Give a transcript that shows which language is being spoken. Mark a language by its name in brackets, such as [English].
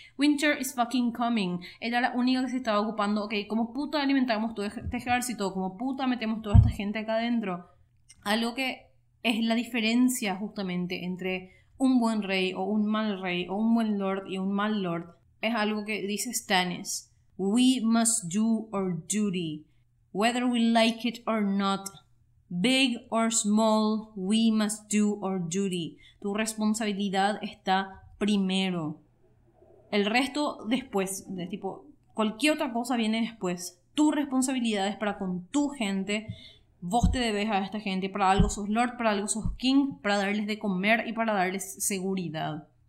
[English] Winter is fucking coming. [Spanish] Ella era la única que se estaba ocupando, ok, como puta alimentamos todo este ejército, como puta metemos toda esta gente acá adentro. Algo que es la diferencia justamente entre un buen rey o un mal rey o un buen lord y un mal lord es algo que dice Stannis. [English] We must do our duty, whether we like it or not, big or small, we must do our duty. [Spanish] Tu responsabilidad está primero. El resto después, de tipo, cualquier otra cosa viene después. Tu responsabilidad es para con tu gente, vos te debes a esta gente, para algo sos lord, para algo sos king, para darles de comer y para darles seguridad.